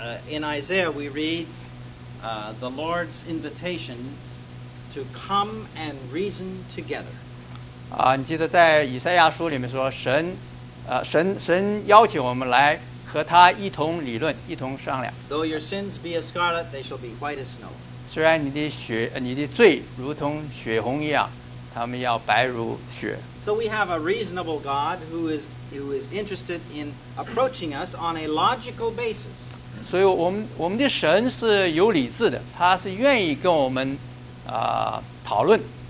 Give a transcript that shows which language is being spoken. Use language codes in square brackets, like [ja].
[en] In Isaiah we read the Lord's invitation to come and reason together. [zh] 你记得在以赛亚书里面说，神邀请我们来和他一同理论，一同商量。 [en] Though your sins be as scarlet, they shall be white as snow. [zh] 虽然你的罪如同血红一样，他们要白如雪。 [en] So we have a reasonable God who is interested in approaching us on a logical basis. [zh] 所以我们的神是有理智的，他是愿意跟我们讨论。